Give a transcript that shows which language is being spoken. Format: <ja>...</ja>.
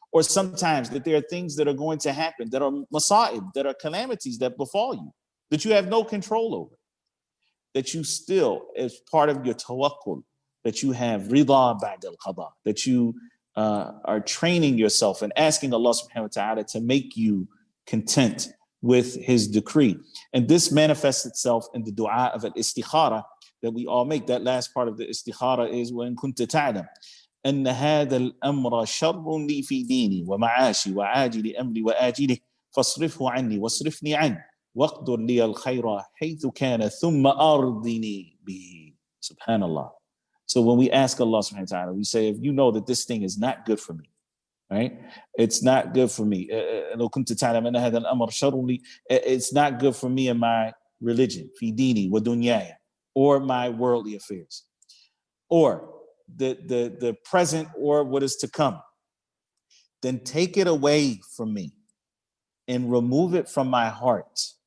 <en>Or sometimes that there are things that are going to happen that are masa'ib, that are calamities that befall you, that you have no control over, that you still, as part of your tawakkul, that you have ridha ba'd al-qada, that you are training yourself and asking Allah subhanahu wa ta'ala to make you content with his decree. And this manifests itself in the dua of al-istikhara that we all make. That last part of the istikhara is,</en> <ar>wa in kunta ta'lam أن هذا الأمر شر لي في ديني ومعاشي وعاجل أمري وآجله فاصرفه عني واصرفني عنه واقدر لي الخير حيث كان ثم أرضني به. Subhanallah.</ar> <en>So when we ask Allah subhanahu wa ta'ala, we say, if you know that this thing is not good for me, right? It's not good for me.</en> <ar>لو كنت تعلم أن هذا الأمر شر لي,</ar> <en>it's not good for me in my religion,</en> <ar>في ديني ودنياي,</ar> <en>or my worldly affairs, or the present or what is to come, then take it away from me and remove it from my heart.</en>